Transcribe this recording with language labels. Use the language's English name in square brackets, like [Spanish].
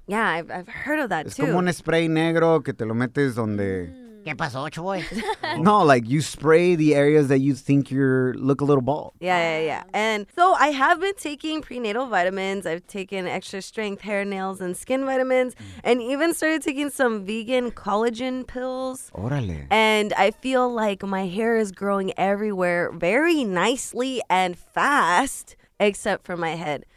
[English] Yeah, I've heard of that, [Spanish] es [English] too. [Spanish] Es como un spray negro que te lo metes donde... ¿Qué pasó, Choy? [English] No, like you spray the areas that you think you're look a little bald. Yeah. And so I have been taking prenatal vitamins. I've taken extra strength hair, nails, and skin vitamins. And even started taking some vegan collagen pills. [Spanish] Órale. [English] And I feel like my hair is growing everywhere very nicely and fast, except for my head.